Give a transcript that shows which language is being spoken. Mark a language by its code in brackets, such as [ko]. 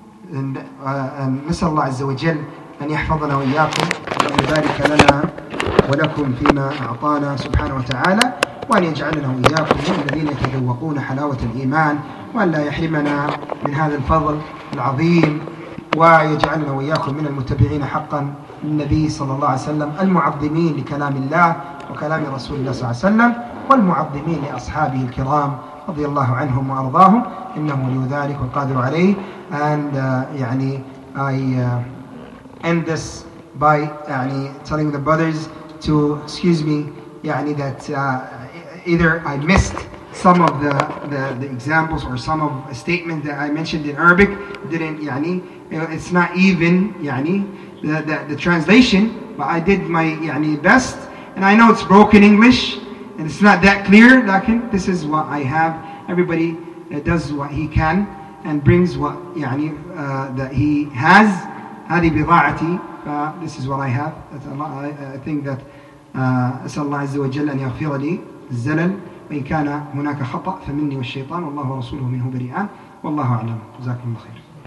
[ar] And نسأل الله عز وجل أن يحفظنا وإياكم وذلك لنا ولكم فيما أعطانا سبحانه وتعالى, وأن يجعلنا وإياكم من الذين يتذوقون حلاوة الإيمان, وأن لا يحرمنا من هذا الفضل العظيم, ويجعلنا وإياكم من المتبعين حقا النبي صلى الله عليه وسلم المعظمين لكلام الله وكلام رسول الله صلى الله عليه وسلم والمعظمين لأصحابه الكرام رضي الله عنهم وأرضاهم إنه ولي ذلك والقادر عليه. [en] And يعني I end this by يعني telling the brothers to excuse me يعني that either I missed some of the examples or some of a statement that I mentioned in Arabic didn't يعني it's not even يعني the translation, but I did my يعني best, and I know it's broken English and it's not that clear, لكن this is what I have. Everybody does what he can and brings what يعني that he has. هذه بضاعتي, this is what I have. [ar] I think that أسأل الله عز وجل أن يغفر لي الزلل وإن كان هناك خطأ فمني والشيطان والله ورسوله منه بريئان والله أعلم. جزاكم الله خير.